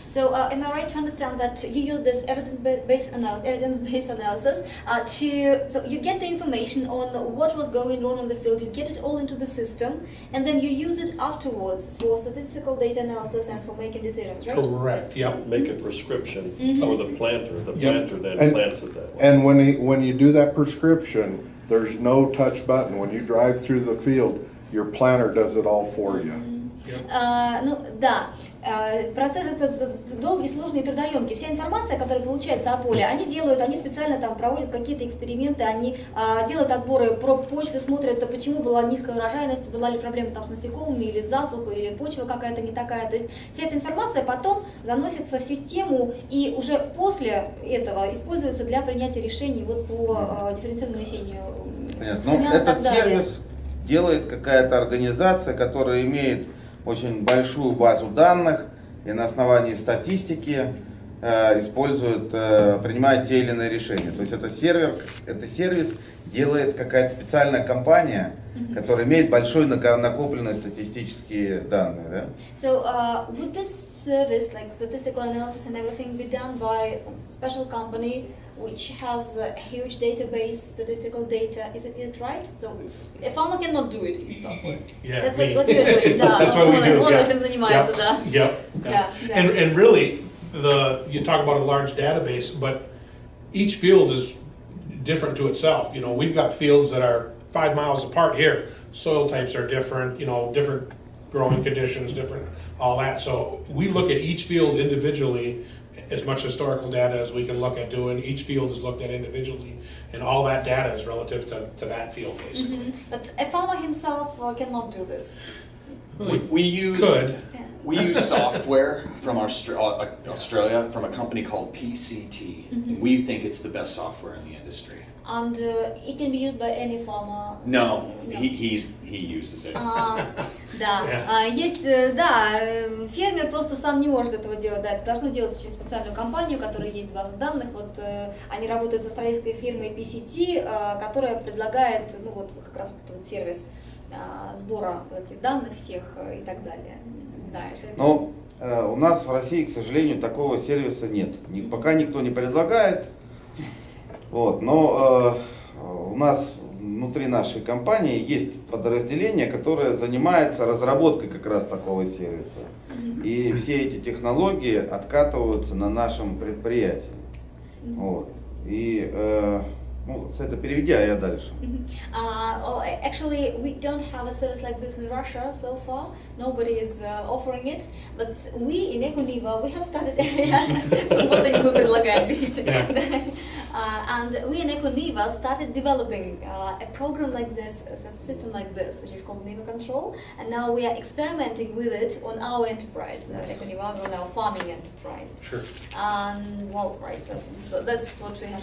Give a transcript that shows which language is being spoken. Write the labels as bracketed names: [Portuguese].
[English] So am I right to understand that you use this evidence-based analysis so you get the information on what was going on in the field, you get it all into the system, and then you use it afterwards for statistical data analysis and for making decisions, right? Correct, yep. Make a prescription for the planter. The planter then plants it that way. And when you do that prescription, there's no touch button. When you drive through the field, your planter does it all for you. [Russian] Ну, да. Процесс этот долгий, сложный, трудоемкий. Вся информация, которая получается о поле, они специально там проводят какие-то эксперименты, они делают отборы проб почвы, смотрят, почему была низкая урожайность, была ли проблема там с насекомыми, или с засухой, или почва какая-то не такая. То есть вся эта информация потом заносится в систему и уже после этого используется для принятия решений вот по дифференцированному насению. Понятно. Ну, этот сервис делает какая-то организация, которая имеет очень большую базу данных, и на основании статистики используют, принимают те или иные решения. То есть это сервер, это сервис делает какая-то специальная компания, mm-hmm. которая имеет большой накопленные статистические данные, да? [English] So would this service, like statistical analysis and everything, be done by some special company which has a huge database, statistical data? Is it right? So a farmer cannot do it himself. Yeah, that's like what you're doing. [Russian] Да, [English] that's what we do. Yeah. Yeah. Yeah. Yeah. Yeah. And really, the you talk about a large database, but each field is different to itself. You know, we've got fields that are 5 miles apart here. Soil types are different, you know, different growing conditions, different all that. So we look at each field individually, as much historical data as we can look at doing. Each field is looked at individually, and all that data is relative to that field, basically. Mm-hmm. But a farmer himself cannot do this. We use software from Australia from a company called PCT. Mm-hmm. And we think it's the best software in the industry. And it can be used by any farmer. No, he uses it. [Russian] Да. Есть, да, фермер просто сам не может этого делать. Да, это должно делаться через специальную компанию, у которой есть база данных. Вот они работают с австралийской фирмой PCT, которая предлагает, ну вот как раз вот этот сервис сбора этих данных всех и так далее. Да, это. Но у нас в России, к сожалению, такого сервиса нет. Пока никто не предлагает. Вот, но у нас внутри нашей компании есть подразделение, которое занимается разработкой как раз такого сервиса. И все эти технологии откатываются на нашем предприятии. Вот. И ну, с этого переведя я дальше. [English] Actually, we don't have a service like this in Russia so far. Nobody is offering it. But we in Ecuniva, we have started. [Russian] Вот они мы предлагаем, видите. [English] And we in Ecuniva started developing a program like this, a system like this, which is called Niva Control. And now we are experimenting with it on our enterprise, Ecuniva, on our farming enterprise. Sure. And well, right. So that's what we have.